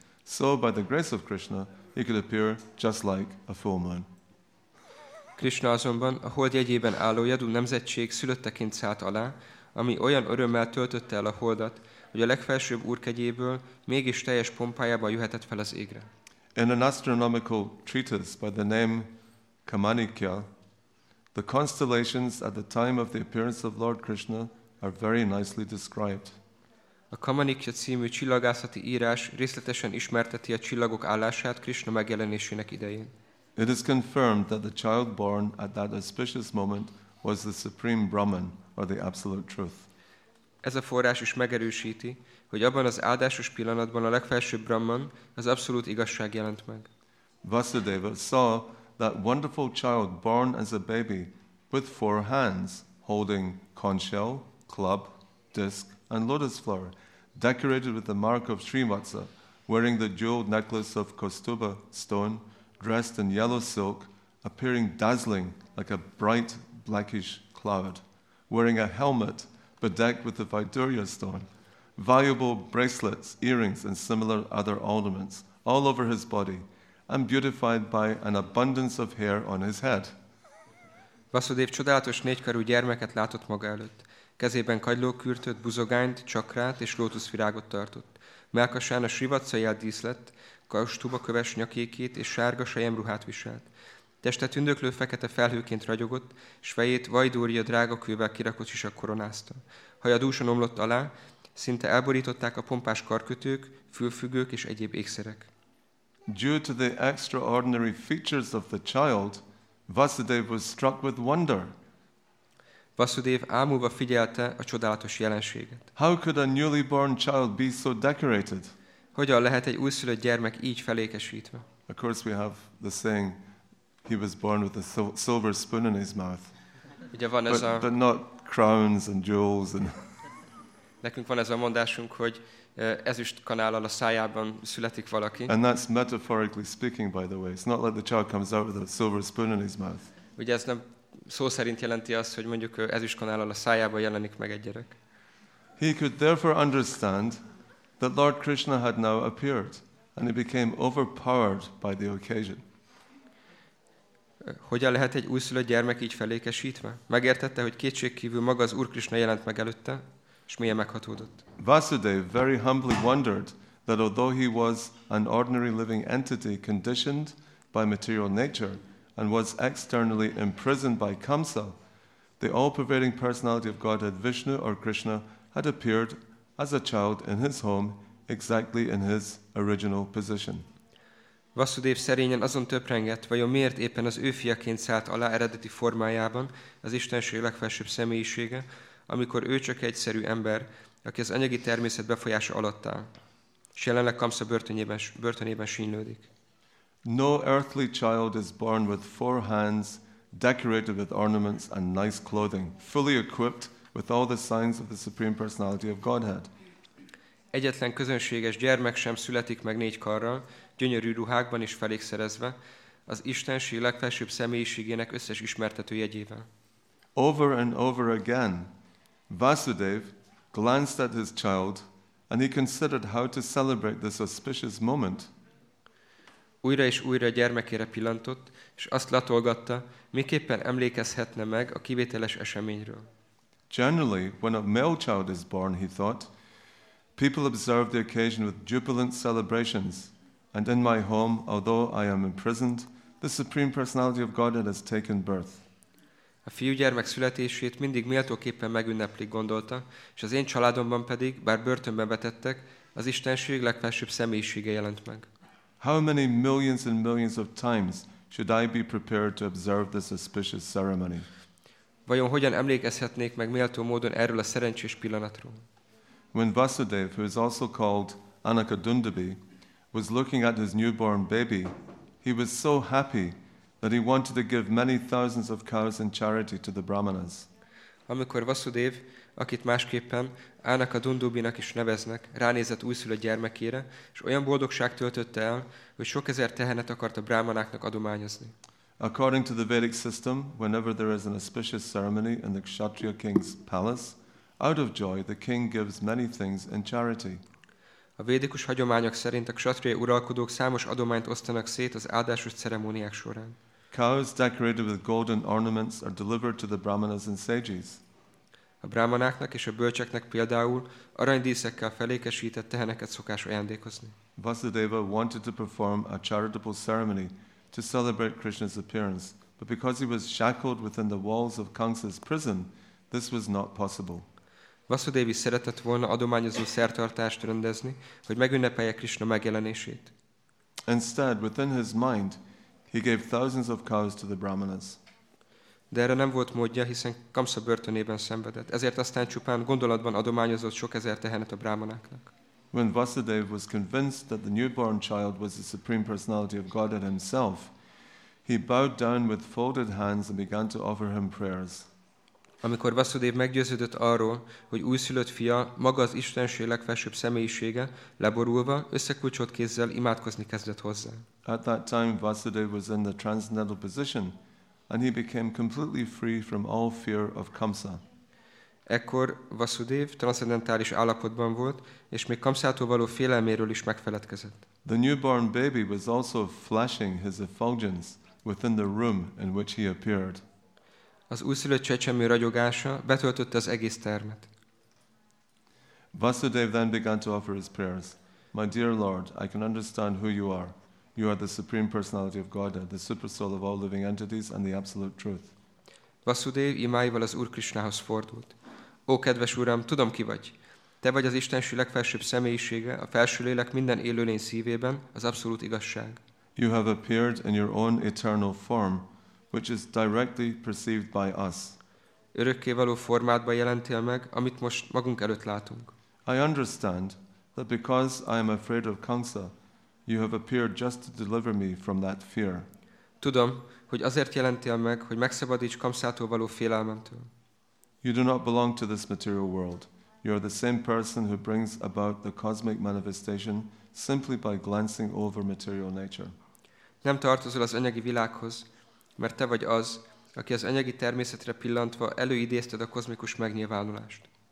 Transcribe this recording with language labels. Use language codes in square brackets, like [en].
[en] So, by the grace of Krishna, he could appear just like a full moon. [hu] Krishna azonban a hold jegyében álló Yadu nemzetség szülötteként szállt alá, ami olyan örömmel töltötte el a holdat, hogy a legfelsőbb úrkegyéből mégis teljes pompájában jöhetett fel az égre. [en] In an astronomical treatise by the name Kamanikya, the constellations at the time of the appearance of Lord Krishna are very nicely described. [hu] A Kamanikya című csillagászati írás részletesen ismerteti a csillagok állását Krishna megjelenésének idején. [en] It is confirmed that the child born at that auspicious moment was the Supreme Brahman, or the Absolute Truth. [hu] Ez a forrás is megerősíti, hogy abban az áldásos pillanatban a legfelsőbb Brahman, az abszolút igazság jelent meg. [en] Vasudeva saw that wonderful child born as a baby with four hands holding conch shell, club, disc and lotus flower, decorated with the mark of Srimatsa, wearing the jeweled necklace of Kostuba stone, dressed in yellow silk, appearing dazzling like a bright blackish cloud, wearing a helmet bedecked with the Vaidurya stone, valuable bracelets, earrings, and similar other ornaments all over his body, and beautified by an abundance of hair on his head. [hu] Vasudev csodálatos négykarú gyermeket látott maga előtt. Kezében kagylókürtöt, buzogányt, csakrát és lótuszvirágot tartott. Mellkasán a srivatsa jel díszlett, kastuba köves nyakékét és sárga sejemruhát viselt. Teste tündöklő fekete felhőként ragyogott, s fejét Vaidurya drága kővel kirakott sisak koronázta. Haja dúsan omlott alá, szinte elborították a pompás karkötők, fülfüggők és egyéb ékszerek. [en] Due to the extraordinary features of the child, Vasudev was struck with wonder. [hu] Vasudev ámulva figyelte a csodálatos jelenséget. [en] How could a newly born child be so decorated? [hu] Hogyan lehet egy újszülött gyermek így felékesítve? [en] Of course we have the saying, he was born with a silver spoon in his mouth. [hu] Ugye van ez [en] but not crowns and jewels and [hu] nekünk van ez a mondásunk, hogy ezüst kanállal a szájában születik valaki. [en] And that's metaphorically speaking, by the way. It's not like the child comes out with a silver spoon in his mouth. [hu] Ugye ez nem szó szerint jelenti azt, hogy mondjuk ezüst kanállal a szájában jelenik meg egy gyerek. [en] He could therefore understand that Lord Krishna had now appeared, and he became overpowered by the occasion. [hu] Hogyan lehet egy újszülött gyermek így felékesítve? Megértette, hogy kétségkívül maga az Úr Krishna jelent meg előtte, és mélyen meghatódott. [en] Vasudev very humbly wondered that although he was an ordinary living entity conditioned by material nature and was externally imprisoned by Kamsa, the all-pervading personality of Godhead Vishnu or Krishna had appeared as a child in his home exactly in his original position. [hu] Vasudev szerényen azon töprengett, vajon miért éppen az ő fiaként szállt alá eredeti formájában az Istenség legfelsőbb személyisége, amikor ő csak egyszerű ember, aki az anyagi természet befolyása alatt áll, és jelenleg Kamsa börtönében sínylődik. [en] No earthly child is born with four hands, decorated with ornaments and nice clothing, fully equipped with all the signs of the Supreme Personality of Godhead. [hu] Egyetlen közönséges gyermek sem születik meg négy karral, gyönyörű ruhákban is felékszerezve, az Istenség legfelsőbb személyiségének összes ismertető jegyével. [en] Over and over again, Vasudev glanced at his child, and he considered how to celebrate this auspicious moment. [hu] Újra és újra gyermekére pillantott, és azt latolgatta, miképpen emlékezhetne meg a kivételes eseményről. [en] Generally, when a male child is born, he thought, people observe the occasion with jubilant celebrations, and in my home, although I am imprisoned, the Supreme Personality of Godhead has taken birth. [hu] A fiúgyermek születését mindig méltóképpen megünneplik, gondolta, és az én családomban pedig, bár börtönbe vetettek, az Istenség legfelsőbb személyisége jelent meg. [en] How many millions and millions of times should I be prepared to observe this auspicious ceremony? [hu] Vajon hogyan emlékezhetnék meg méltó módon erről a szerencsés pillanatról? [en] When Vasudev, who is also called Anakadundabi, was looking at his newborn baby, he was so happy that he wanted to give many thousands of cows in charity to the Brahmanas. [hu] Amikor Vasudev, akit másképpen Anakadundabinak is neveznek, ránézett újszülött gyermekére, és olyan boldogság töltötte el, hogy sok ezer tehenet akart a brahmanáknak adományozni. [en] According to the Vedic system, whenever there is an auspicious ceremony in the Kshatriya king's palace, out of joy the king gives many things in charity. [hu] A védikus hagyományok szerint a Kshatriya uralkodók számos adományt osztanak szét az áldásos ceremóniák során. [en] Cows decorated with golden ornaments are delivered to the brahmanas and sages. [hu] A brahmanáknak és a bölcseknek például aranydíszekkel felékesített teheneket szokás ajándékozni. [en] Vasudeva wanted to perform a charitable ceremony to celebrate Krishna's appearance, but because he was shackled within the walls of Kansa's prison, this was not possible. [hu] Vasudev is szeretett volna adományozó szertartást rendezni, hogy megünnepelje Krishna megjelenését. [en] Instead, within his mind, he gave thousands of cows to the brahmanas. [hu] De erre nem volt módja, hiszen Kamsa börtönében szenvedett, ezért aztán csupán gondolatban adományozott sok ezer tehenet a brahmanáknak. [en] When Vasudev was convinced that the newborn child was the Supreme Personality of Godhead himself, he bowed down with folded hands and began to offer him prayers. [hu] Amikor Vasudev meggyőződött arról, hogy újszülött fia maga az Istenség legfelsőbb személyisége, leborulva, összekulcsolt kézzel imádkozni kezdett hozzá. [en] At that time Vasudev was in the transcendental position, and he became completely free from all fear of Kamsa. [hu] Ekkor Vasudev transzendentális állapotban volt, és még Kamsától való félelméről is megfeledkezett. [en] The newborn baby was also flashing his effulgence within the room in which he appeared. [hu] Az újszülött csecsemő ragyogása betöltötte az egész termet. [en] Vasudev then began to offer his prayers. My dear Lord, I can understand who you are. You are the Supreme Personality of Godhead, the Supersoul of all living entities and the Absolute Truth. [hu] Vasudev imáival az Úr Krisnához fordult. Ó, kedves Uram, tudom, ki vagy. Te vagy az Istenség legfelsőbb személyisége, a felső lélek minden élőlény szívében, az abszolút igazság. [en] You have appeared in your own eternal form, which is directly perceived by us. [hu] Örökkévaló formátban jelentél meg, amit most magunk előtt látunk. [en] I understand that because I am afraid of Kamsa, you have appeared just to deliver me from that fear. [hu] Tudom, hogy azért jelentél meg, hogy megszabadíts Kamsától való félelmemtől. [en] You do not belong to this material world. You are the same person who brings about the cosmic manifestation simply by glancing over material nature. [hu] Nem tartozol az anyagi világhoz, mert te vagy az, aki az anyagi természetre pillantva előidézted a kozmikus megnyilvánulást.